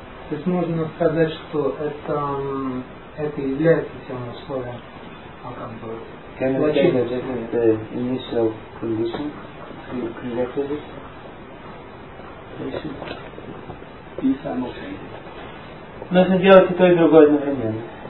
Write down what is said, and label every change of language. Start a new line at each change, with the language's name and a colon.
Russian: То есть можно сказать, что это является тем условием, а как бы.
English: Can you say that this is the initial condition to connect with it?
Russian: Нужно делать и то, и другое одновременно.